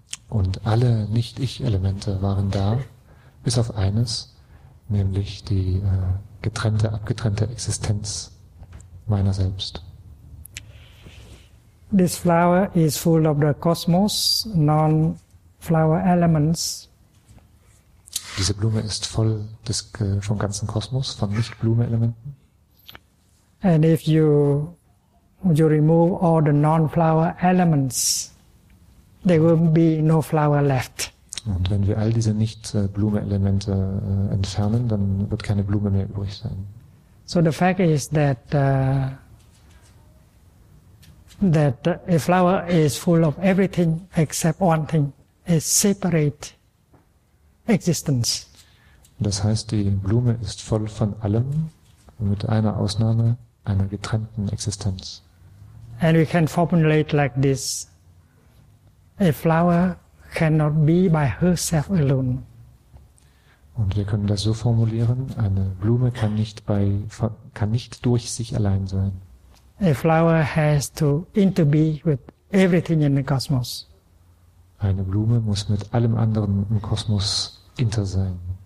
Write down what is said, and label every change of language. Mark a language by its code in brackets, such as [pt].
[de] Und alle Nicht-Ich-Elemente waren da, bis auf eines, nämlich die getrennte, abgetrennte Existenz meiner selbst. [en] This flower is full of the cosmos, non-flower elements. [de] Diese Blume ist voll des vom ganzen Kosmos, von Nicht-Blume-Elementen. [en] And if you remove all the non-flower elements, there will be no flower left. [de] Und wenn wir all diese Nicht-Blume-Elemente entfernen, dann wird keine Blume mehr übrig sein. [en] So the fact is that that a flower is full of everything except one thing, a separate existence. [de] Das heißt, die Blume ist voll von allem, mit einer Ausnahme, einer getrennten Existenz. [en] And we can formulate like this, a flower cannot be by herself alone. [de] Und wir können das so formulieren, eine Blume kann nicht durch sich allein sein. [en] A flower has to interbe with everything in the cosmos. [de] Eine Blume muss mit allem anderen im Kosmos inter sein.